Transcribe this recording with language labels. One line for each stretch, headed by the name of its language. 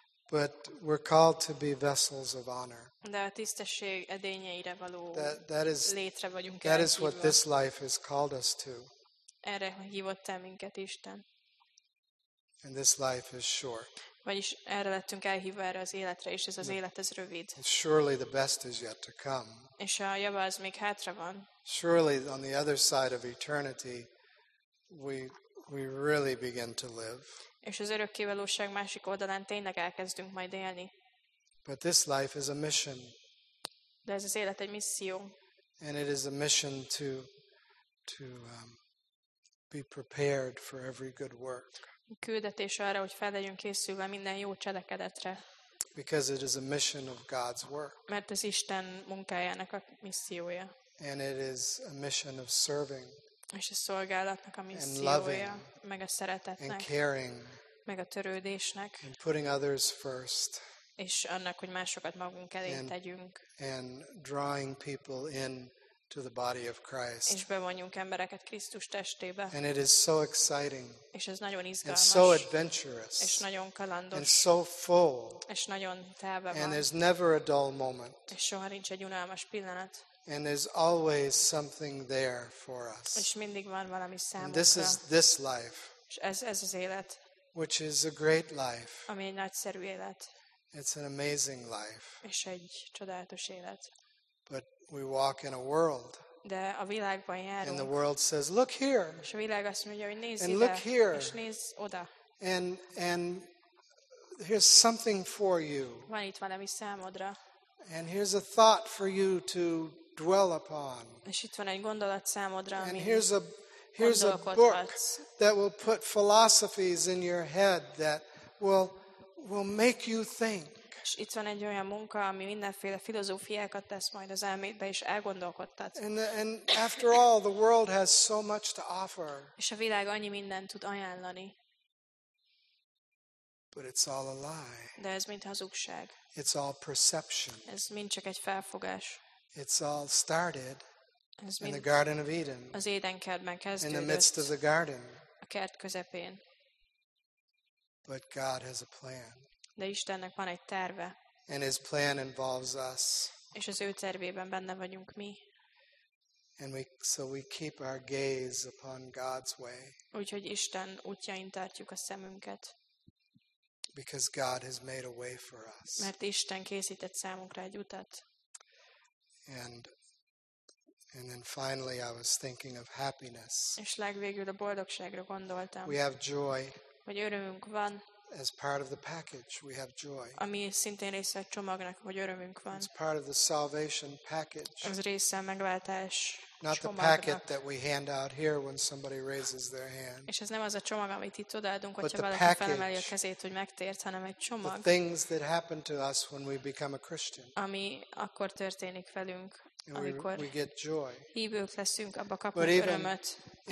English: But we're called to be vessels of honor.
Hungarian: De a tisztesség edényeire való létre vagyunk elhívva.
English: That is what this life has called us to.
Hungarian: Erre hívott el minket Isten.
English: And this life is short.
Hungarian: Vagyis erre lettünk elhívva erre az életre, és ez az élet ez rövid.
English: Surely the best is yet to come.
Hungarian: És a jobb az még hátra van.
English: Surely on the other side of eternity we really begin to live.
Hungarian: És az örökkévalóság másik oldalán tényleg elkezdünk majd élni.
English: But this life is a mission.
Hungarian: De ez az élet egy misszió.
English: And it is a mission to be prepared for every good work.
Hungarian: Küldetés arra, hogy fel legyünk készülve minden jó cselekedetre.
English: Because it is a mission of God's work.
Hungarian: Mert ez Isten munkájának a missziója.
English: And it is a mission of serving.
Hungarian: És a szolgálatnak a missziója, meg a szeretetnek,
English: and caring,
Hungarian: meg a törődésnek,
English: and putting others first,
Hungarian: és annak, hogy másokat magunk elé tegyünk,
English: and drawing people in to the body of Christ,
Hungarian: és bevonjunk embereket Krisztus testébe,
English: and it is so exciting,
Hungarian: és ez nagyon izgalmas,
English: and so adventurous,
Hungarian: és nagyon kalandos,
English: and so full,
Hungarian: és nagyon telve van,
English: and there's never a dull moment,
Hungarian: és soha nincs egy unalmas pillanat.
English: And there's always something there for us.
Hungarian: És mindig van valami számunkra.
English: And this is this life.
Hungarian: És ez az élet.
English: Which is a great life.
Hungarian: Ami egy nagyszerű élet.
English: It's an amazing life.
Hungarian: És egy csodálatos élet.
English: But we walk in a world.
Hungarian: De a világban járunk.
English: And the world says, look here.
Hungarian: És a világ azt mondja, hogy nézz ide.
English: And look here.
Hungarian: És nézz oda.
English: And here's something for you.
Hungarian: Van itt valami számodra.
English: And here's a thought for you to dwell upon.
Hungarian: És itt van egy gondolat számodra,
English: and here's a book that will put philosophies in your head that will make you think.
Hungarian: És itt van egy olyan munka, ami mindenféle filozófiákat tesz majd az elmédbe és elgondolkodtat.
English: And after all, the world has so much to offer.
Hungarian: És a világ annyi mindent tud ajánlani.
English: But it's all a lie.
Hungarian: De ez mind hazugság.
English: It's all perception.
Hungarian: Ez mind csak egy felfogás.
English: It's all started in the Garden of Eden.
Hungarian: Az Édenkertben kezdődött.
English: In the midst of the garden.
Hungarian: A kert közepén.
English: But God has a plan.
Hungarian: De Istennek van egy terve.
English: And his plan involves us.
Hungarian: És az ő tervében benne vagyunk mi.
English: And we keep our gaze upon God's way.
Hungarian: Úgyhogy Isten útjain tartjuk a szemünket.
English: Because God has made a way for us.
Hungarian: Mert Isten készített számunkra egy utat.
English: And then finally I was thinking of happiness.
Hungarian: És legvégül a boldogságra gondoltam.
English: We have joy.
Hungarian: Hogy örömünk van.
English: As part of the package, we have joy.
Hungarian: Ami szintén része a csomagnak, hogy örömünk van.
English: It's part of the salvation package.
Hungarian: Az része a megváltás csomagnak.
English: Not the packet that we hand out here when somebody raises their hand.
Hungarian: És ez nem az a csomag, amit itt odaadunk, hogyha valaki felemeli a kezét, hogy megtért, hanem egy csomag.
English: The things that happen to us when we become a Christian.
Hungarian: Ami akkor történik velünk, amikor
English: we get joy.
Hungarian: Hívők leszünk, abba kapunk örömöt.